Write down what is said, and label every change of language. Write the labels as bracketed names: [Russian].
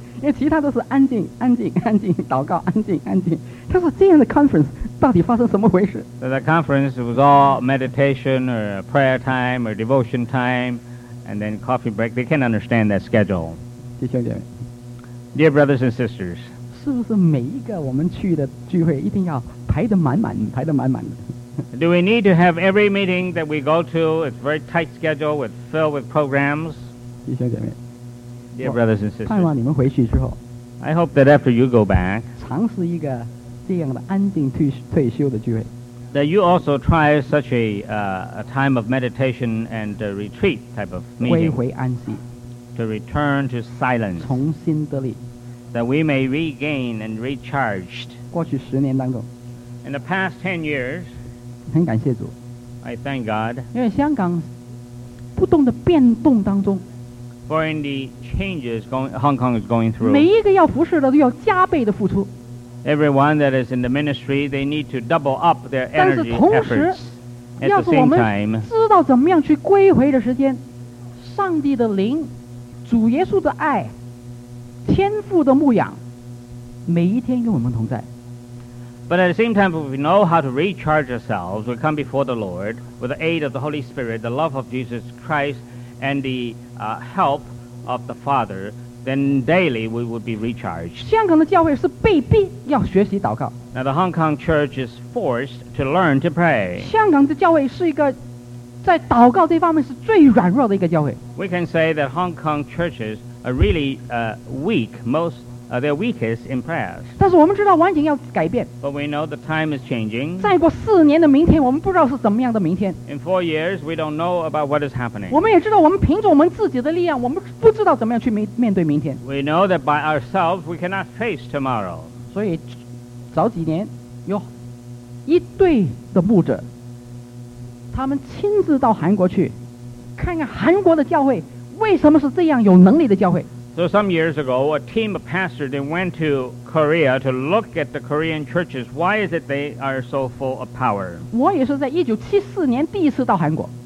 [Chinese] 因为其他都是安静安静安静祷告安静安静。他说这样的 conference 到底发生什么回事。 [English] So the conference was all meditation or prayer time or devotion time and then coffee break. They can't understand that schedule. [Chinese] 弟兄姐妹。 [English] Dear brothers and sisters. [Chinese] 是不是每一个我们去的聚会一定要排得满满排得满满的 [English] Do we need to have every meeting that we go to? It's very tight schedule with filled with programs. [Chinese] 弟兄姐妹 [English] Dear brothers and sisters. [Chinese] 盼望你们回去之后 [English] I hope that after you go back. [Chinese] 尝试一个这样的安静退休的聚会 [English] That you also try such a time of meditation and retreat type of meeting. [Chinese] 归回安息 [English] To return to silence. [Chinese] 重新得力 [English] That we may regain and recharged. [Chinese] 过去十年当中 [English] In the past 10 years, [Chinese] 很感谢主 [English] I thank God. [Chinese] 因为香港不动的变动当中 [English] For in the changes Hong Kong is going through. [Chinese] 每一个要服侍的都要加倍的付出 [English] Everyone that is in the ministry, they need to double up their energy efforts. [Chinese] 但是同时要是我们知道怎么样去归回的时间上帝的灵主耶稣的爱天父的牧养每一天跟我们同在 [English] But at the same time if we know how to recharge ourselves we come before the Lord with the aid of the Holy Spirit the love of Jesus Christ and the help of the Father then daily we would be recharged [Chinese] 香港的教会是被逼要学习祷告 [English] Now the Hong Kong church is forced to learn to pray [Chinese] 香港的教会是一个在祷告这方面是最软弱的一个教会 [English] We can say that Hong Kong churchesare really weak, most, they're weakest in prayers. [Chinese] 但是我们知道环境要改变。 [English] But we know the time is changing. [Chinese] 再过4年的明天，我们不知道是怎么样的明天。 [English] In 4 years, we don't know about what is happening. [Chinese] 我们也知道我们凭着我们自己的力量，我们不知道怎么样去面对明天。 [English] We know that by ourselves, we cannot face tomorrow. [Chinese] 所以早几年有一队的牧者，他们亲自到韩国去看看韩国的教会为什么是这样有能力的教会。 [English] So some years ago, a team of pastors went to Korea to look at the Korean churches. Why is it they are so full of power? [Chinese] 我也是在1974年第一次到韩国。